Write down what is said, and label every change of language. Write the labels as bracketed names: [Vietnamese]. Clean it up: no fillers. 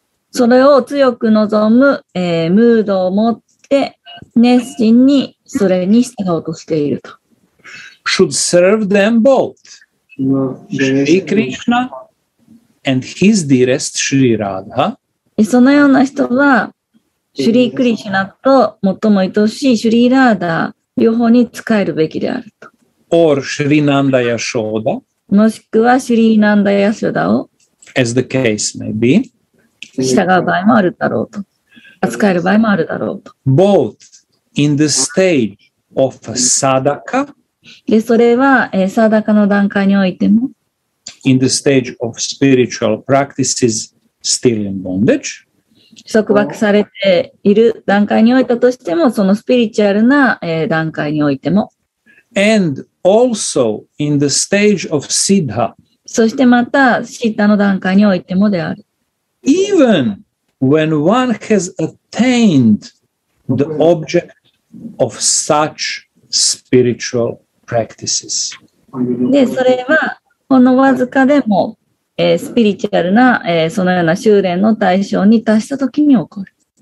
[Japanese] それを強く望む、ムードを持って熱心にそれに従おうとしていると。 [English] Should serve them both, Shri Krishna and his dearest Shri Radha. [Japanese] そのような人は、シュリー・クリシュナと最も愛しいシュリー・ラーダ両方に仕えるべきであると。 [English] Or Shri Nanda Yashoda. [Japanese] もしくはシュリー・ナンダ・ヤショダを。 [English] As the case may be. [Japanese] 従う場合もあるだろうと、扱える場合もあるだろうと。 [English] Both in the stage of sadaka, [Japanese] でそれは、sadaka の段階においても、 [English] in the stage of spiritual practices still in bondage, [Japanese] 束縛されている段階においたとしても、そのスピリチュアルな、段階においても、 [English] and also in the stage of siddha, [Japanese] そしてまた、siddhaの段階においてもである。 [English] Even when one has attained the object of such spiritual practices. [Japanese] で、それはほんのわずかでも、スピリチュアルな、そのような修練の対象に達したときに起こる。